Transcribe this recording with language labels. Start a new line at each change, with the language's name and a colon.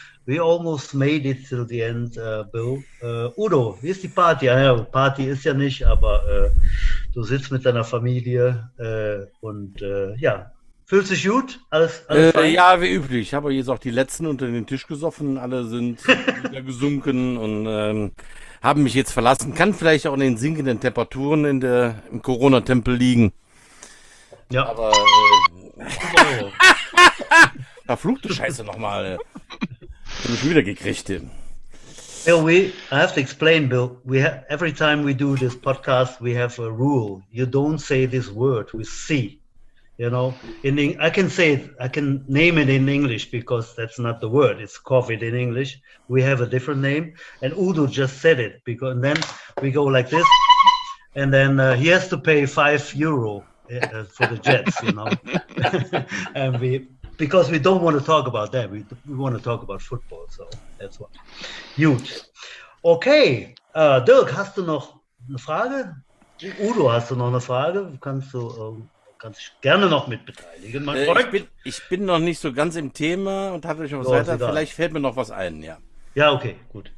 English: We almost made it till the end, Bill.
German: Udo, wie ist die Party? Ja, Party ist ja nicht, aber du sitzt mit deiner Familie und fühlt sich gut? Alles fein? Ja, wie üblich. Ich habe jetzt auch die letzten unter den Tisch gesoffen. Alle sind wieder gesunken und haben mich jetzt verlassen. Kann vielleicht auch in den sinkenden Temperaturen im Corona-Tempel liegen. Ja. Aber. Verfluchte Scheiße nochmal. Ich habe mich wieder gekriegt.
English: Bill, I have to explain, Bill. We every time we do this podcast, we have a rule. You don't say this word with C. You know, I can name it in English because that's not the word. It's COVID in English. We have a different name. And Udo just said it because, and then we go like this. And then he has to pay €5 for the Jets, you know. And because we don't want to talk about that. We want to talk about football. So that's what. Huge. Okay.
German: Dirk, hast du noch eine Frage? Udo, hast du noch eine Frage? Kannst du. Kannst gerne noch mit beteiligen. Ich bin noch nicht so ganz im Thema und hatte euch noch was weiter. Vielleicht fällt mir noch was ein, ja. Ja, okay, gut.